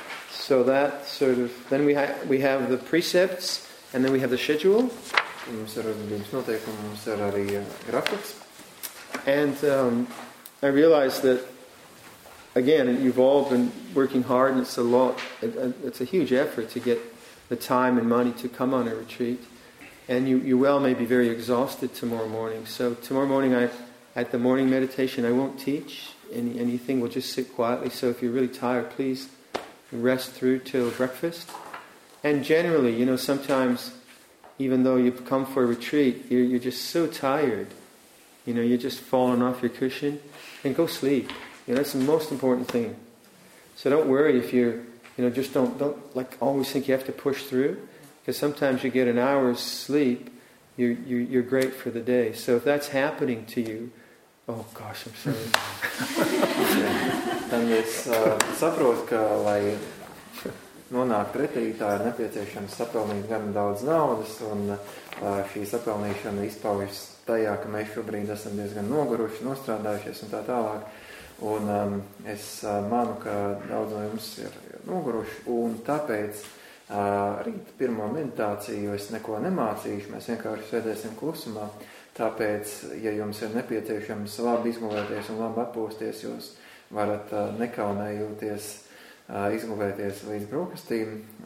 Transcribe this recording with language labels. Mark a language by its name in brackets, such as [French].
[English] So that sort of, then we have the precepts, and then we have the schedule. [Latvian] Mums ir viens noteikums, mums ir arī grafiks. [English] And I realized that again, you've all been working hard, and it's a lot, it's a huge effort to get the time and money to come on a retreat. And you well may be very exhausted tomorrow morning. So tomorrow morning, at the morning meditation, I won't teach anything. We'll just sit quietly. So if you're really tired, please rest through till breakfast. And generally, you know, sometimes, even though you've come for a retreat, you're just so tired. You know, you're just falling off your cushion. And go sleep. You know, that's the most important thing. So don't worry if you're, you know, just don't like always think you have to push through. Because sometimes you get an hour's sleep, you're great for the day. So if that's happening to you, oh gosh, I'm sorry. [Latvian] Then es saprotu, ka lai nonākt retrītā ir nepieciešams sapelnīt gan daudz naudas, un šī sapelnīšana izpaužas tajā, ka mēs šobrīd esam diezgan noguruši, nostrādājušies un tā tālāk. Un es manu, ka daudz no jums ir noguruši, un tāpēc rīt pirmo meditāciju es neko nemācīšu, mēs vienkārši sēdēsim klusumā, tāpēc ja jums ir nepieciešams labi izgulēties un labi atpūsties, jūs varat nekaunējoties izgulēties līdz brokastīm